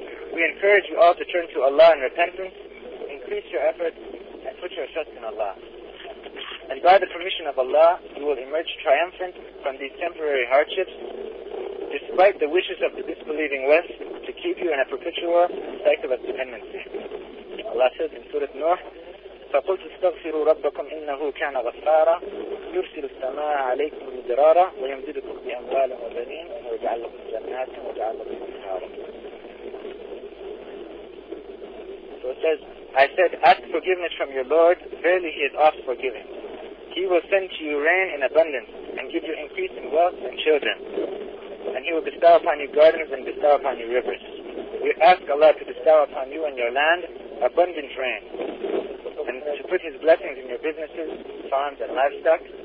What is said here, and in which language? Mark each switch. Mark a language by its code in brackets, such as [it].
[en] We encourage you all to turn to Allah in repentance, increase your efforts, and put your trust in Allah. And by the permission of Allah, you will emerge triumphant from these temporary hardships, despite the wishes of the disbelieving West to keep you in a perpetual cycle of dependency. Allah says in Surah Nuh, [ar] فَقُلْتُ اسْتَغْفِرُوا رَبَّكُمْ إِنَّهُ كَانَ غَفَّارًا يُرْسِلُ السَّمَاءَ عَلَيْكُمْ مِدْرَارًا وَيَمْدِدُكُمْ بِأَمْوَالٍ وَبَنِينَ وَيَجْعَلْ لَكُمْ جَنَّاتٍ وَيَجْعَلْ لَكُمْ أَنْهَارًا. [en] So it says, I said, ask forgiveness from your Lord, verily He is oft forgiving. He will send to you rain in abundance and give you increase in wealth and children. And He will bestow upon you gardens and bestow upon you rivers. We ask Allah to bestow upon you and your land abundant rain and to put His blessings in your businesses, farms and livestock.